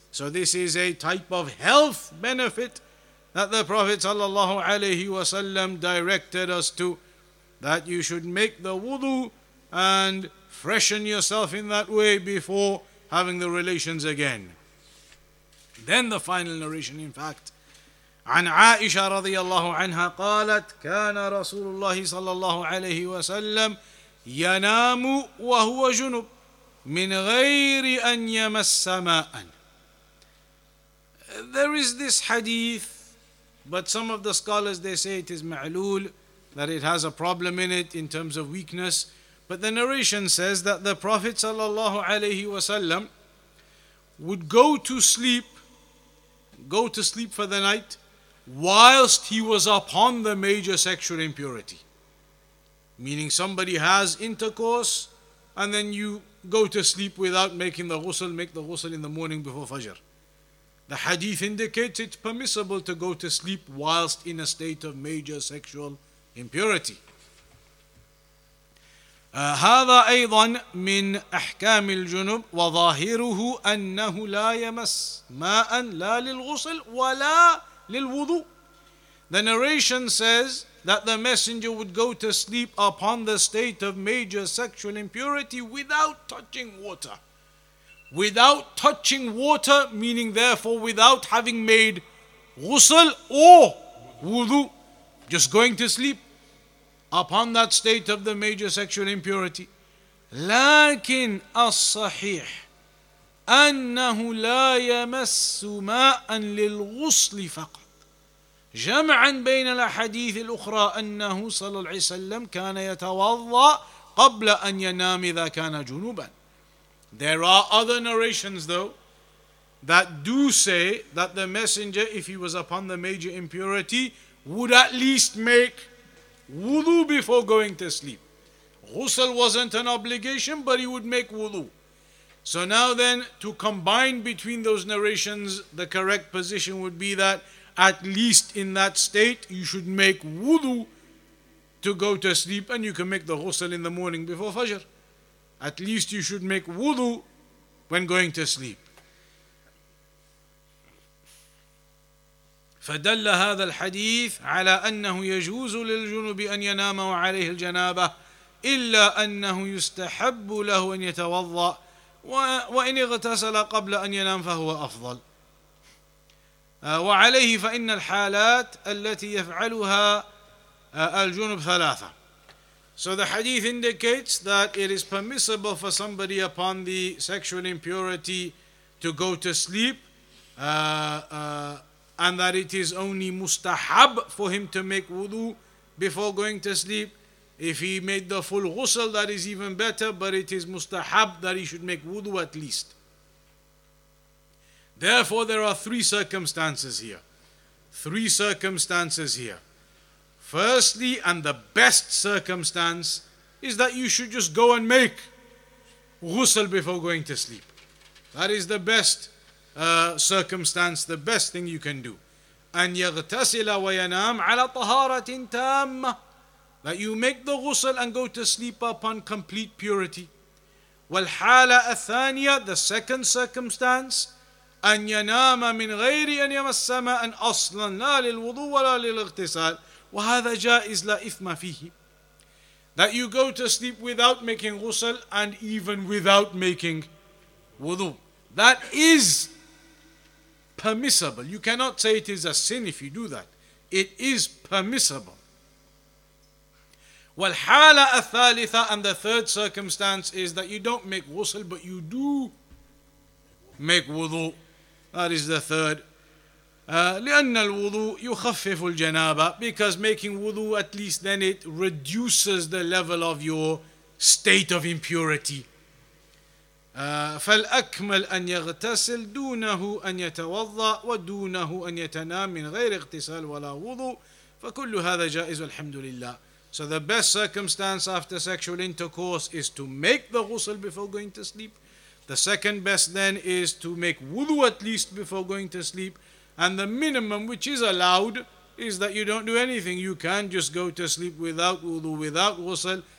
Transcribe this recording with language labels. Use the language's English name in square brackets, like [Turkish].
[English] So this is a type of health benefit that the Prophet sallallahu alayhi wa sallam directed us to, that you should make the wudu and freshen yourself in that way before having the relations again. Then the final narration, in fact. [Arabic] عن عائشة رضي الله عنها قالت كان رسول الله صلى الله عليه وسلم ينام وهو جنب من غير أن يمس ماء. [English] There is this hadith, but some of the scholars, they say it is ma'lul, that it has a problem in it in terms of weakness. But the narration says that the Prophet sallallahu alayhi wa sallam would go to sleep for the night whilst he was upon the major sexual impurity. Meaning somebody has intercourse and then you go to sleep without making the ghusl, make the ghusl in the morning before Fajr. The hadith indicates it's permissible to go to sleep whilst in a state of major sexual impurity. [Arabic] هذا أيضا من أحكام الجنب، وظاهره أنه لا يمس ماء لا للغسل ولا للوضوء. [English] The narration says that the messenger would go to sleep upon the state of major sexual impurity without touching water. Without touching water, meaning therefore without having made ghusl or wudu, just going to sleep upon that state of the major sexual impurity. [Arabic] لكن الصحيح أنه لا يمس ماء للغسل فقط. جمعا بين الأحاديث الأخرى أنه صلى الله عليه وسلم كان يتوضأ قبل أن ينام إذا كان جنوبا. [English] There are other narrations though that do say that the messenger, if he was upon the major impurity, would at least make wudu before going to sleep. Ghusl wasn't an obligation, but he would make wudu. So now then, to combine between those narrations, the correct position would be that at least in that state, you should make wudu to go to sleep, and you can make the ghusl in the morning before Fajr. At least you should make wudu when going to sleep. [Arabic] فدل هذا الحديث على أنه يجوز للجنب أن ينام وعليه الجنابة إلا أنه يستحب له أن يتوضأ وإن اغتسل قبل أن ينام فهو أفضل وعليه فإن الحالات التي يفعلها الجنب ثلاثة. [English] So the hadith indicates that it is permissible for somebody upon the sexual impurity to go to sleep and that it is only mustahab for him to make wudu before going to sleep. If he made the full ghusl, that is even better, but it is mustahab that he should make wudu at least. Therefore, there are three circumstances here. Firstly, and the best circumstance, is that you should just go and make ghusl before going to sleep. That is the best circumstance, the best thing you can do. [Arabic] أن يغتسل وينام على طهارة تامة. [English] That you make the ghusl and go to sleep upon complete purity. [Arabic] والحالة الثانية, [English] the second circumstance, [Arabic] أن ينام من غير أن يمس ماء أصلا لا للوضوء ولا للاغتسال. وهذا جائز لا إثم فيه. [English] That you go to sleep without making ghusl and even without making wudu. That is permissible. You cannot say it is a sin if you do that. It is permissible. [Arabic] والحالة الثالثة, [English] and the third circumstance, is that you don't make ghusl but you do make wudu. That is the third. [Arabic] لأن الوضوء يخفف الجنابة, [English] because making wudu, at least then it reduces the level of your state of impurity. [Arabic] فالأكمل أن يغتسل دونه أن يتوضأ ودونه أن يتنام من غير اغتسال ولا وضوء فكل هذا جائز والحمد لله. [English] So the best circumstance after sexual intercourse is to make the ghusl before going to sleep. The second best then is to make wudu at least before going to sleep. And the minimum which is allowed is that you don't do anything. You can just go to sleep without wudu, without ghusl.